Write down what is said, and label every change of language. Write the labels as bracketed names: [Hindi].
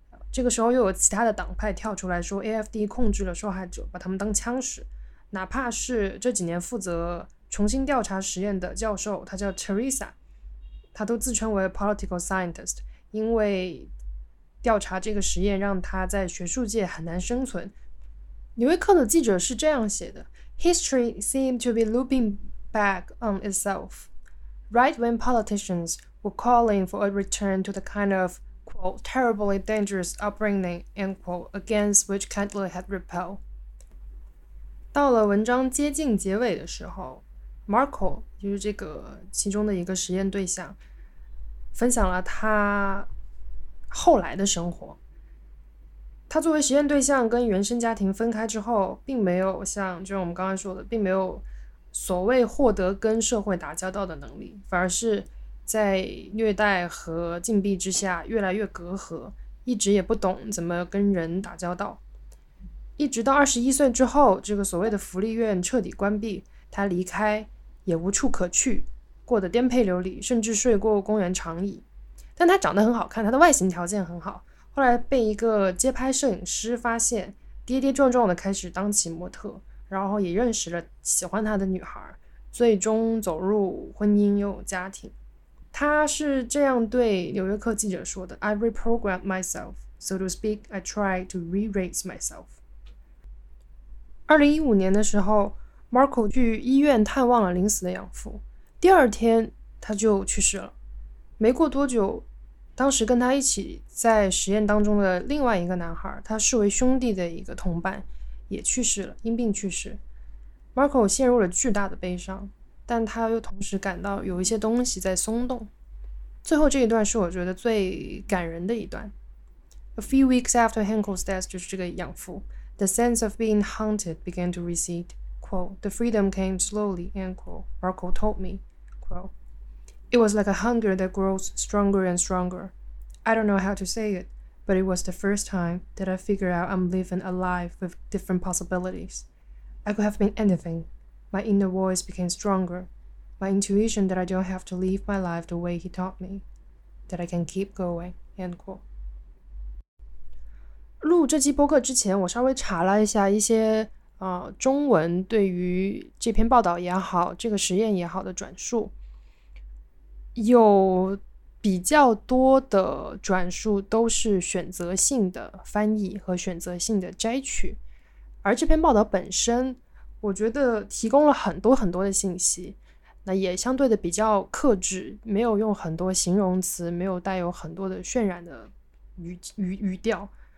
[Chinese] 这个时候又有其他的党派跳出来说 AFD 控制了受害者，把他们当枪使。哪怕是这几年负责重新调查实验的教授，他叫 Teresa， 他都自称为 political scientist， 因为调查这个实验让他在学术界很难生存。纽约客的记者是这样写的， [English] History seemed to be looping back on itself. Right when politicians were calling for a return to the kind of, quote, terribly dangerous upbringing, end quote, against which Kendall had rebelled. [Chinese] 到了文章接近结尾的时候， Marco 就是这个其中的一个实验对象，分享了他后来的生活。他作为实验对象跟原生家庭分开之后，并没有像就是我们刚刚说的，并没有所谓获得跟社会打交道的能力，反而是在虐待和禁闭之下越来越隔阂，一直也不懂怎么跟人打交道。一直到21岁之后，这个所谓的福利院彻底关闭，他离开也无处可去，过得颠沛流离，甚至睡过公园长椅。但他长得很好看，他的外形条件很好，后来被一个街拍摄影师发现，跌跌撞撞的开始当起模特，然后也认识了喜欢他的女孩，最终走入婚姻又有家庭。他是这样对纽约客记者说的， [English] I reprogrammed myself, so to speak, I tried to re-raise myself。 [Chinese] 2015年的时候， Marco 去医院探望了临死的养父，第二天他就去世了。没过多久，当时跟他一起在实验当中的另外一个男孩，他视为兄弟的一个同伴也去世了，因病去世。 Marco 陷入了巨大的悲伤，但他又同时感到有一些东西在松动。最后这一段是我觉得最感人的一段。 [English] A few weeks after Henkel's death， [Chinese] 就是这个养父， [English] The sense of being haunted began to recede, quote, the freedom came slowly, end quote, Marco told me, quote, it was like a hunger that grows stronger and stronger. I don't know how to say it, but it was the first time that I figured out I'm living a life with different possibilities. I could have been anything. My inner voice became stronger. My intuition that I don't have to live my life the way he taught me, that I can keep going, end quote. [Chinese] 录这期播客之前，我稍微查了一下一些中文对于这篇报道也好，这个实验也好的转述。有比较多的转述都是选择性的翻译和选择性的摘取，而这篇报道本身我觉得提供了很多很多的信息，那也相对的比较克制，没有用很多形容词，没有带有很多的渲染的 语调。